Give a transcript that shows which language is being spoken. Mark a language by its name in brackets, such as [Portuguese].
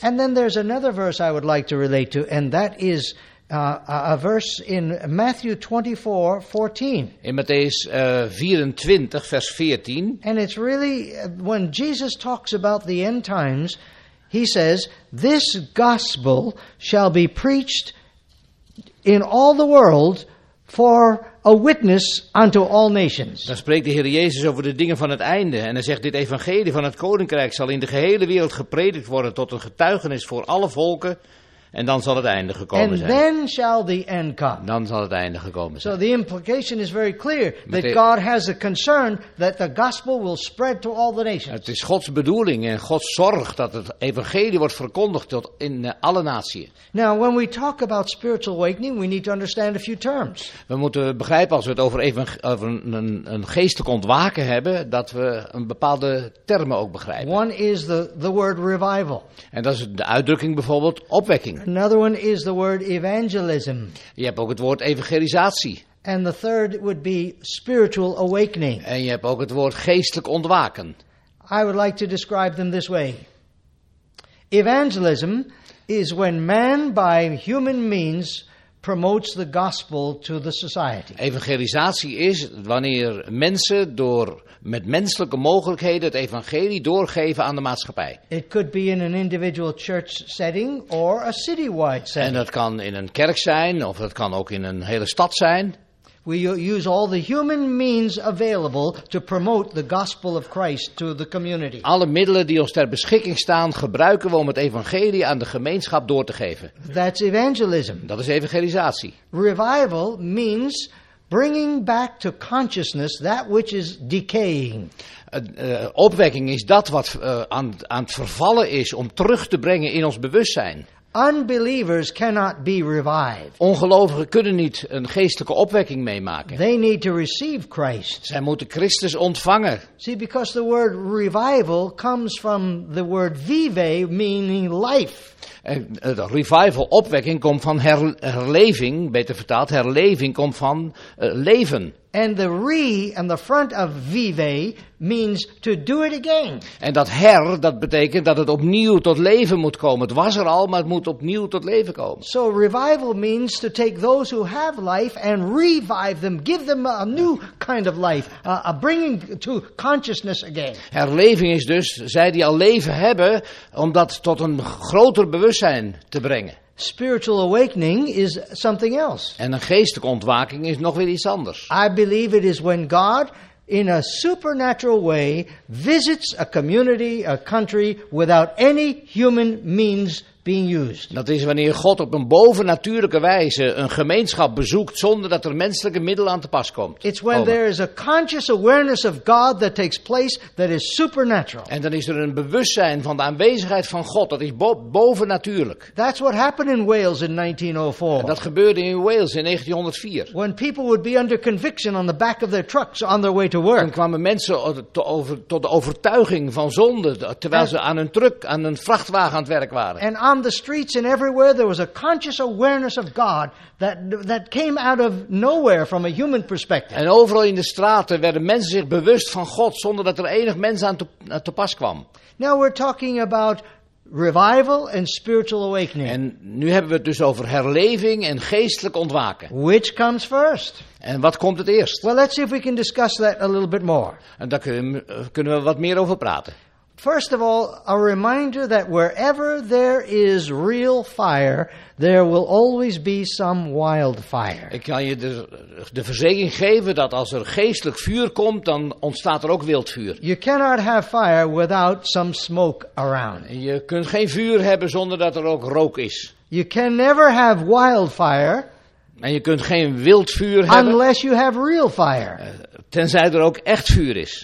[English] And then there's another verse I would like to relate to, and that is a verse in Matthew 24:14. [Dutch] In Matthäus 24, vers 14. [English] And it's really, when Jesus talks about the end times, he says, "This gospel shall be preached in all the world for a witness unto all nations." [Dutch] Dan spreekt de Heer Jezus over de dingen van het einde. En hij zegt, dit evangelie van het koninkrijk zal in de gehele wereld gepredikt worden tot een getuigenis voor alle volken. En dan zal het einde gekomen [English] and [Dutch] zijn. [English] Then shall the end come. [Dutch] Dan zal het einde gekomen zijn. [English] So the implication is very clear. That God has a concern that the gospel will spread to all the nations. [Dutch] Het is Gods bedoeling en Gods zorg dat het evangelie wordt verkondigd tot in alle naties. [English] Now when we talk about spiritual awakening, we need to understand a few terms. [Dutch] We moeten begrijpen als we het over een geestelijk ontwaken hebben, dat we een bepaalde termen ook begrijpen. [English] One is the word revival. [Dutch] En dat is de uitdrukking bijvoorbeeld opwekking. [English] Another one is the word evangelism. [Dutch] Je hebt ook het woord evangelisatie. [English] And the third would be spiritual awakening. [Dutch] En je hebt ook het woord geestelijk ontwaken. [English] I would like to describe them this way. Evangelism is when man by human means promotes the gospel to the society. [Dutch] Evangelisatie is wanneer mensen door met menselijke mogelijkheden het evangelie doorgeven aan de maatschappij. [English] It could be in an individual church setting or a citywide setting. [Dutch] En dat kan in een kerk zijn of dat kan ook in een hele stad zijn. [English] We use all the human means available to promote the gospel of Christ to the community. [Dutch] Alle middelen die ons ter beschikking staan, gebruiken we om het evangelie aan de gemeenschap door te geven. [English] That's evangelism. [Dutch] Dat is evangelisatie. [English] Revival means bringing back to consciousness that which is decaying. [Dutch] Opwekking is dat wat aan het vervallen is om terug te brengen in ons bewustzijn. [English] Unbelievers cannot be revived. [Dutch] Ongelovigen kunnen niet een geestelijke opwekking meemaken. [English] They need to receive Christ. [Dutch] Zij moeten Christus ontvangen. [English] See, because the word revival comes from the word vive, meaning life. [Dutch] En de revival, opwekking, komt van herleving, beter vertaald, herleving komt van leven. [English] And the re and the front of vive means to do it again. [Dutch] En dat her, dat betekent dat het opnieuw tot leven moet komen. Het was er al, maar het moet opnieuw tot leven komen. [English] So revival means to take those who have life and revive them, give them a new kind of life, a bringing to consciousness again. [Dutch] Herleving is dus zij die al leven hebben, om dat tot een groter bewustzijn te brengen. [English] Spiritual awakening is something else. [Dutch] En een geestelijke ontwaking is nog weer iets anders. [English] I believe it is when God in a supernatural way visits a community, a country without any human means being used. [Dutch] Dat is wanneer God op een bovennatuurlijke wijze een gemeenschap bezoekt zonder dat er menselijke middelen aan te pas komt. [English] It's when there is a conscious awareness of God that takes place that is supernatural. [Dutch] En dan is er een bewustzijn van de aanwezigheid van God dat is bovennatuurlijk. [English] That's what happened in Wales in 1904. [Dutch] En dat gebeurde in Wales in 1904. [English] When people would be under conviction on the back of their trucks on their way to work. [Dutch] Toen kwamen mensen tot de overtuiging van zonde terwijl ze aan hun truck, aan hun vrachtwagen aan het werk waren. [English] And on the streets and everywhere there was a conscious awareness of God that came out of nowhere from a human perspective. [Dutch] En overal in de straten werden mensen zich bewust van God zonder dat er enig mens aan te pas kwam. [English] Now we're talking about revival and spiritual awakening. [Dutch] En nu hebben we het dus over herleving en geestelijk ontwaken. [English] Which comes first? [Dutch] En wat komt het eerst? [English] Well, let's see if we can discuss that a little bit more. [Dutch] En daar kunnen we wat meer over praten. [English] First of all, a reminder that wherever there is real fire, there will always be some wildfire. [Dutch] Ik kan je de verzekering geven dat als er geestelijk vuur komt, dan ontstaat er ook wild vuur. [English] You cannot have fire without some smoke around. [Dutch] Je kunt geen vuur hebben zonder dat er ook rook is. [English] You can never have wildfire. [Dutch] En je kunt geen wild vuur hebben. [English] Unless you have real fire. [Dutch] Tenzij er ook echt vuur is.